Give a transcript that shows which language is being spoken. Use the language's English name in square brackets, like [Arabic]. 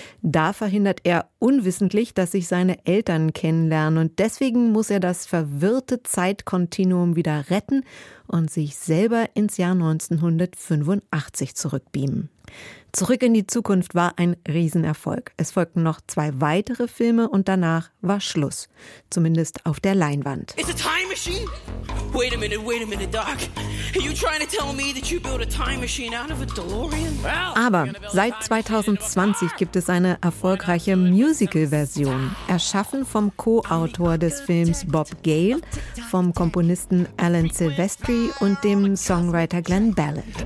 [German] Da verhindert er unwissentlich, dass sich seine Eltern kennenlernen und deswegen muss er das verwirrte Zeitkontinuum wieder retten und sich selber ins Jahr 1985 zurückbeamen. Zurück in die Zukunft war ein Riesenerfolg. Es folgten noch zwei weitere Filme und danach war Schluss. Zumindest auf der Leinwand. [English] It's a time machine? Wait a minute, Doc. Are you trying to tell me that you built a time machine out of a DeLorean? [German] Aber seit 2020 gibt es eine erfolgreiche Musical-Version, erschaffen vom Co-Autor des Films Bob Gale, vom Komponisten Alan Silvestri und dem Songwriter Glenn Ballard.